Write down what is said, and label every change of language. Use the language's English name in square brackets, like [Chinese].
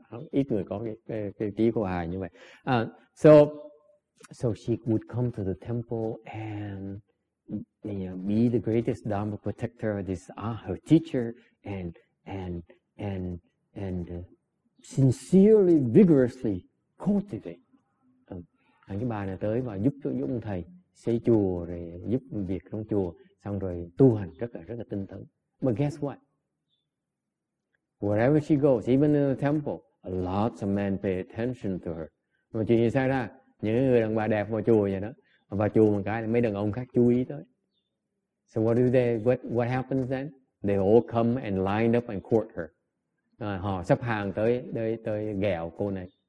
[Vietnamese] Ít người có cái trí của hài như vậy. [English] So she would come to the temple and be the greatest Dharma protector, this her teacher, and sincerely, vigorously cultivate. [Vietnamese] Hàng cái bà này tới và giúp cho ông thầy xây chùa rồi giúp việc trong chùa, xong rồi tu hành rất là tinh tấn. [English] But guess what? Wherever she goes, even in the temple, lots of men pay attention to her. [Vietnamese] Mà chuyện gì xảy ra? Những người đàn bà đẹp vào chùa vậy đó, vào chùa một cái thì mấy đàn ông khác chú ý tới. [English] So what do they? What happens then? They all come and line up and court her. [Vietnamese] Họ xếp hàng tới ghẹo cô này.